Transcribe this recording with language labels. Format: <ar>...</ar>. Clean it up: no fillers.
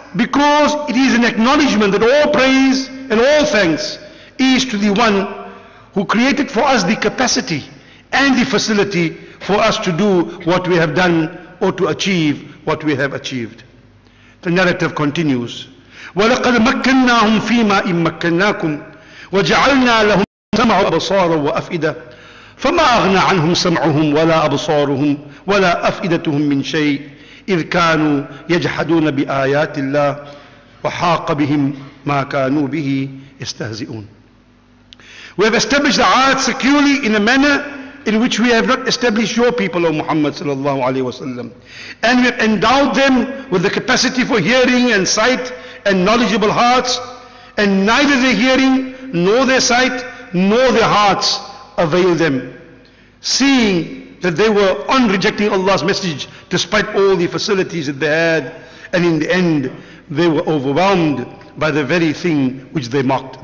<en>Because it is an acknowledgement that all praise and all thanks is to the one who created for us the capacity and the facility for us to do what we have done or to achieve what we have achieved. The narrative continues.</en> <ar>وَلَقَدْ مَكَّنَّاهُمْ فِي مَا إِمْ مَكَّنَّاكُمْ وَجَعَلْنَا لَهُمْ سَمْعُ أَبْصَارًا وَأَفْئِدَةً فَمَا أَغْنَى عَنْهُمْ سَمْعُهُمْ وَلَا أَبْصَارُهُمْ وَلَا أَفْئِدَتُهُمْ مِنْ شَيْءٍ إِذْ كَانُوا يَجْحَدُونَ بِآيَاتِ اللَّهِ وَحَاقَ بِهِمْ مَا كَانُوا بِهِ يَسْتَهْزِئُونَ.</ar> <en>We have established the earth securely in a manner in which we have not established your people, O Muhammad sallallahu alayhi wa sallam. And we have endowed them with the capacity for hearing and sight and knowledgeable hearts, and neither their hearing nor their sight nor their hearts avail them, seeing that they were on rejecting Allah's message despite all the facilities that they had, and in the end they were overwhelmed by the very thing which they mocked.</en>